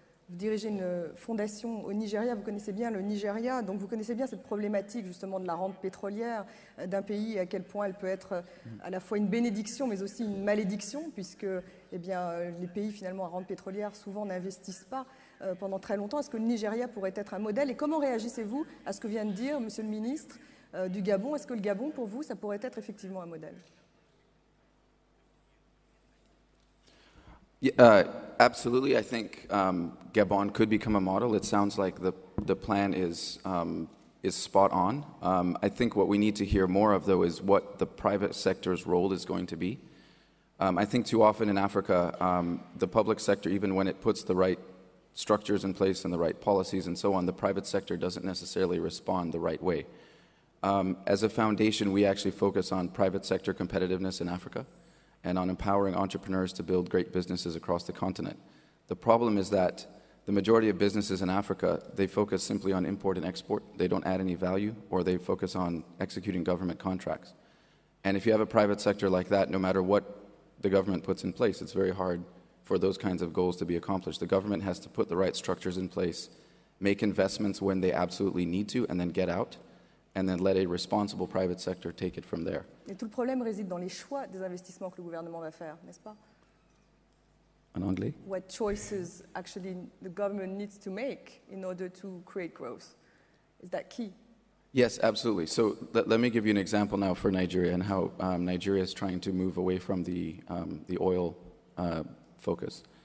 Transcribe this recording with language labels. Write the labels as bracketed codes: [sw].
[fr] Vous dirigez une fondation au Nigeria, vous connaissez bien le Nigeria, donc vous connaissez bien cette problématique justement de la rente pétrolière d'un pays, à quel point elle peut être à la fois une bénédiction mais aussi une malédiction, puisque eh bien, les pays finalement à rente pétrolière souvent n'investissent pas pendant très longtemps. Est-ce que le Nigeria pourrait être un modèle et comment réagissez-vous à ce que vient de dire Monsieur le ministre du Gabon? Est-ce que le Gabon pour vous ça pourrait être effectivement un modèle? [en] Absolutely, I think Gabon could become a model. It sounds like the plan is spot on. I think what we need to hear more of, though, is what the private sector's role is going to be. I think too often in Africa, the public sector, even when it puts the right structures in place and the right policies and so on, the private sector doesn't necessarily respond the right way. As a foundation, we actually focus on private sector competitiveness in Africa and on empowering entrepreneurs to build great businesses across the continent. The problem is that the majority of businesses in Africa, they focus simply on import and export. They don't add any value, or they focus on executing government contracts. And if you have a private sector like that, no matter what the government puts in place, it's very hard for those kinds of goals to be accomplished. The government has to put the right structures in place, make investments when they absolutely need to, and then get out, and then let a responsible private sector take it from there. [fr] Et tout le problème réside dans les choix des investissements que le gouvernement va faire, n'est-ce pas? En anglais? [en] What choices actually the government needs to make in order to create growth? Is that key? Yes, absolutely. So let me give you an example now for Nigeria and how Nigeria is trying to move away from the oil focus.